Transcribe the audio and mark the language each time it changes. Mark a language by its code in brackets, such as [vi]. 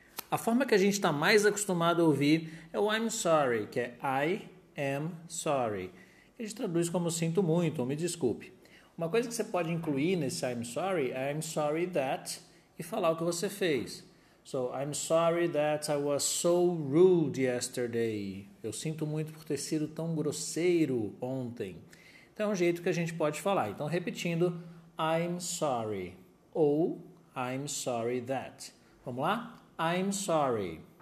[pt] A forma que a gente está mais acostumado a ouvir é o [en] I'm sorry, [pt] que é [en] I am sorry. [pt] Ele traduz como sinto muito, ou me desculpe. Uma coisa que você pode incluir nesse [en] I'm sorry [pt] é [en] I'm sorry that [pt] e falar o que você fez. [en] So, I'm sorry that I was so rude yesterday. [pt] Eu sinto muito por ter sido tão grosseiro ontem. Então, é um jeito que a gente pode falar. Então, repetindo, [en] I'm sorry. [pt] Ou, [en] I'm sorry that. [pt] Vamos lá? [en] I'm sorry.